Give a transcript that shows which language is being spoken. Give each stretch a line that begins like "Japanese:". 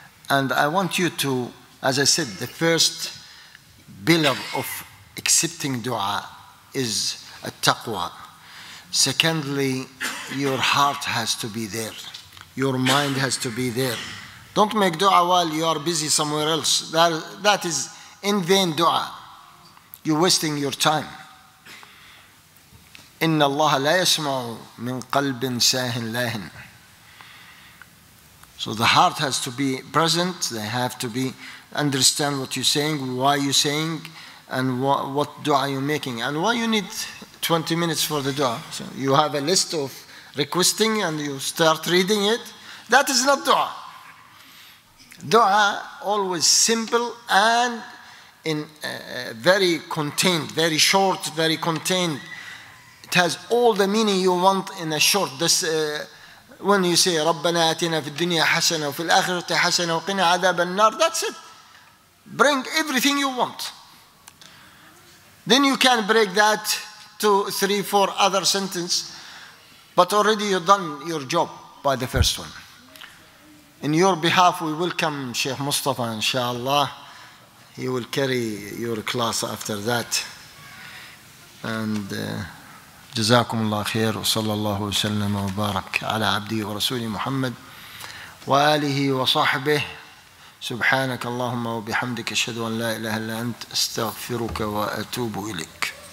English: And I want you to, as I said, the first pillar of accepting dua is a taqwa. Secondly, your heart has to be there. Your mind has to be there. Don't make dua while you are busy somewhere else. That is in vain dua. You're wasting your time.
Arabic: إن الله لا يسمع من قلب ساهن لاهن.
English: So the heart has to be present. They have to be understand what you're saying, why you're saying, and what dua you're making, and why you need 20 minutes for the dua. So you have a list of requesting, and you start reading it. That is not dua. Dua always simple and in very contained, very short, very contained. It has all the meaning you want in a short. This, when you say
Arabic: رَبَّنَا أَتِنَا فِي الدُّنْيَا حَسَنَةً وَفِي الْآخِرَةِ حَسَنَةً وَقِنَا عَذَابَ النَّارِ,
English: that's it. Bring everything you want. Then you can break that to 3-4 other sentences. But already you've done your job by the first one. In your behalf, we welcome Sheikh Mustafa, inshallah. He will carry your class after that. And...
Arabic: جزاكم الله خير وصلى الله وسلم وبارك على عبده ورسوله محمد وآله وصحبه سبحانك اللهم وبحمدك أشهد أن لا إله إلا أنت أستغفرك وأتوب إليك.